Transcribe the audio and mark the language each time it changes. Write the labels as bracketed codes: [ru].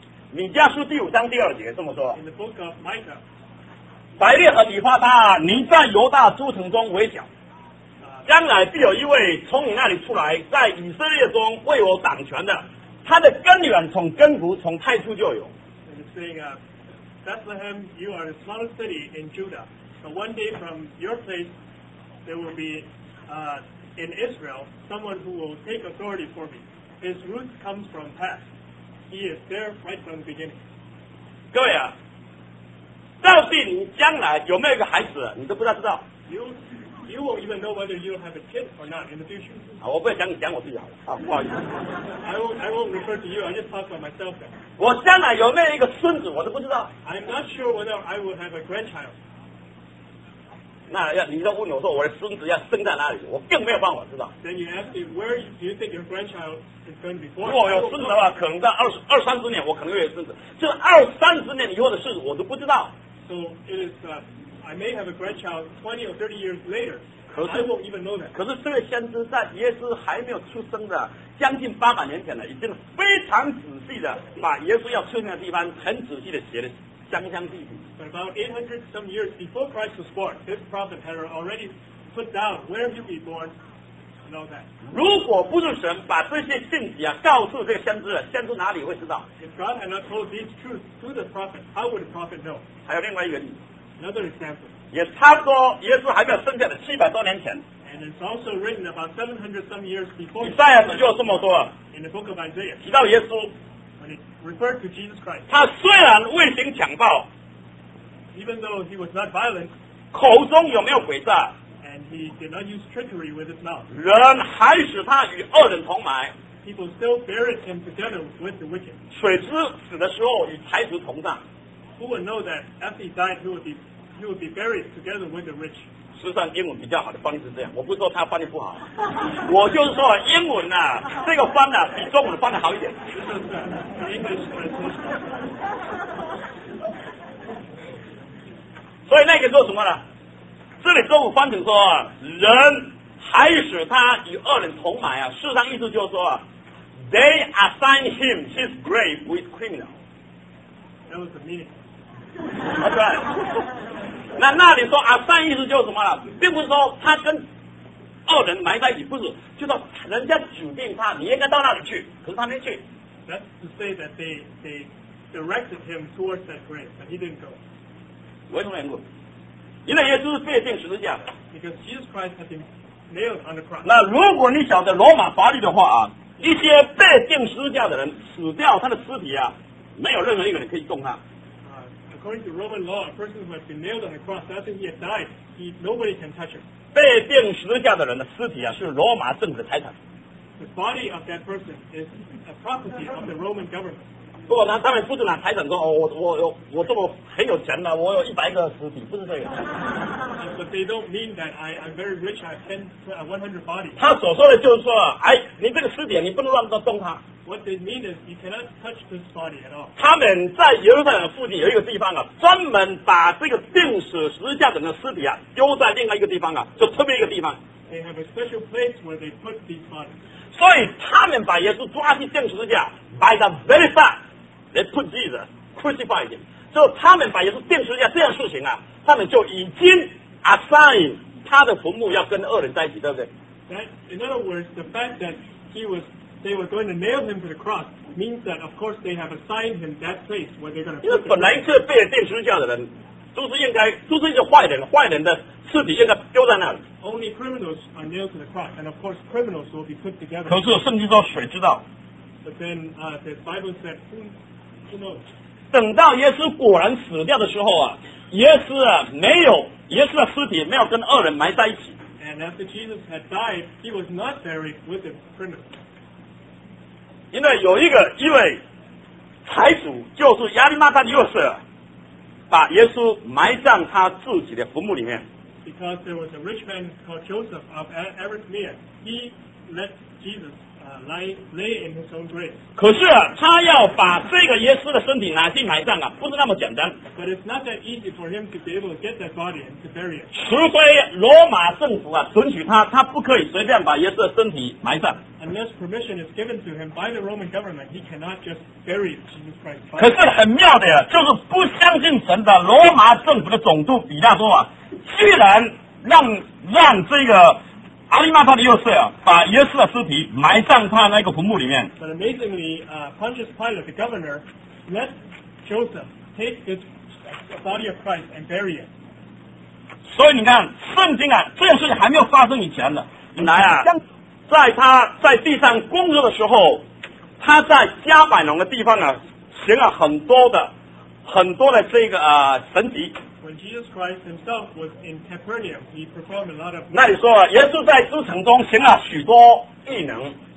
[zh] 米迦书第5章2节这么说 [en] In the book of Micah, [zh] 白列和以法他你在犹大诸城中为小将来必有一位从你那里出来在以色列中为我掌权的他的根源从根骨从太初就有。 [en] And he's saying, Bethlehem, you are the smallest city in Judah. But one day from your place, there will be, in Israel, someone who will take authority for me. His roots come from past. He is there right from the beginning. [zh] 各位啊，到底你将来有没有一个孩子，你都不知道。 [en] You won't even know whether you have a kid or not in the future. [zh] 好，我不要讲你，讲我自己好了。啊，不好意思。 [en] I won't refer to you. I just talk about myself. [zh] 我将来有没有一个孙子，我都不知道。 [en] I'm not sure whether I will have a grandchild. [zh] 那要你要问我说我的孙子要生在哪里，我更没有办法知道。 [en] Then you ask me where do you think your grandchild is going to be born? [zh] 如果有孙子的话，可能在二三十年，我可能会有孙子。就二三十年以后的事，我都不知道。 [en] So it is. I may have a grandchild 20 or 30 years later. I won't even know that. [zh] 可是这位先知在耶稣还没有出生的将近八百年前呢，已经非常仔细的把耶稣要出生的地方很仔细的写的详详细细。 [en] But about 800 some years before Christ was born, this prophet had already put down where he'll be born. Know that. [zh] 如果不是神把这些信息啊告诉这个先知了，先知哪里会知道 [en] ？If God had not told these truths to the prophet, how would the prophet know? [zh] 还有另外一个原因。 [en] Another example. [zh] 也差不多耶稣还没有生下的七百多年前。 [en] And it's also written about 700 some years before. [zh] 以赛亚书就有这么多。 [en] In the book of Isaiah. [zh] 提到耶稣。 [en] When it referred to Jesus Christ. [zh] 他虽然未行强暴。 [en] Even though he was not violent. [zh] 口中有没有诡诈。 [en] And he did not use trickery with his mouth. [zh] 人还使他与恶人同埋。 [en] People still buried him together with the wicked. [zh] 水子死的时候与财主同葬。 [en] Who would know that after he died, he would be buried together with the rich? [zh] 实际上，英文比较好的翻译是这样。我不是说他翻译不好，我就是说英文呐、啊，这个翻呐、啊、比中文翻的好一点。 [en] English translation. [zh] 所以那个说什么呢？这里中文翻成说，人还使他与恶人同埋啊。事实上，意思就是说 [en] ，they assign him his grave with criminal. That was the meaning. [zh] 对、 [en] okay. [zh] ，那里说阿善意思就是什么了？并不是说他跟恶人埋在一起，不是，就说人家指定他，你应该到那里去，可是他没去。 [en] That's to say that they directed him towards that grave, but he didn't go. [zh] 为什么缘故？因为耶稣是被钉十字架的。 [en] Because Jesus Christ had been nailed on the cross. [zh] 那如果你晓得罗马法律的话啊，一些被钉十字架的人死掉，他的尸体啊，没有任何一个人可以动他。 [en] According to Roman law, a person who has been nailed on the cross after he had died, nobody can touch him. [zh] 被钉十字架的人的尸体啊，是罗马政府的财产。 [en] The body of that person is a property of the Roman government. [zh] 不过呢，他们不是拿财产说哦，我这么很有钱呢、啊，我有一百个尸体，不是这个。 [en] But they don't mean that I'm very rich. I have 100 bodies. [zh] 他所说的就是说，哎，你这个尸体，你不能乱动动它。 [en] What they mean is you cannot touch this body at all. [zh] 他们在耶路撒冷附近有一个地方啊，专门把这个钉死十字架的尸体啊丢在另外一个地方啊，就特别一个地方。 [en] They have a special place where they put these bodies. [zh] 所以他们把耶稣抓去钉十字架 [en] ，by the very fact they put Jesus crucified him. [zh] 就他们把耶稣钉十字架这样事情啊，他们就已经 assign 他的坟墓要跟恶人在一起，对不对 [en] ？In other words, the fact that they were going to nail him to the cross means that of course they have assigned him that place where they're going to put him. [zh] 因为本来这被钉十字架的人都是一些坏人，坏人的尸体应该丢在那里。 [en] Only criminals are nailed to the cross, and of course criminals will be put together. [zh] 可是圣经说谁知道 [en] ？But then the Bible said who knows? [zh] 等到耶稣果然死掉的时候啊，耶稣的尸体没有跟恶人埋在一起。 [en] And after Jesus had died, he was not buried with the criminals. [zh] 因为有一位财主，就是亚历马大六世，把耶稣埋葬他自己的坟墓里面。 [en] Because there was a rich man called Joseph of Arimathea, he let Jesus lay in his own grave. [zh] 可是、啊、他要把这个耶稣的身体拿去埋葬啊，不是那么简单。 [en] But it's not that easy for him to be able to get that body and to bury it. [zh] 除非罗马政府啊准许他不可以随便把耶稣的身体埋葬。 [en] Unless permission is given to him by the Roman government, he cannot just bury Jesus Christ. [zh] 可是很妙的呀，就是不相信神的罗马政府的总督比拉多啊，居然让这个阿里马塔的右侧啊，把耶稣的尸体埋葬他那个坟墓里面。 [en] But amazingly, Pontius Pilate, the governor, let Joseph take the body of Christ and bury it. [zh] 所以你看，圣经啊，这件事情还没有发生以前的，来啊，在他在地上工作的时候，他在加百农的地方啊，行了很多的、很多的这个神迹。 [en] When Jesus Christ himself was in Capernaum, he performed a lot of. [zh] 那你说，耶稣在诸城中行了许多异能。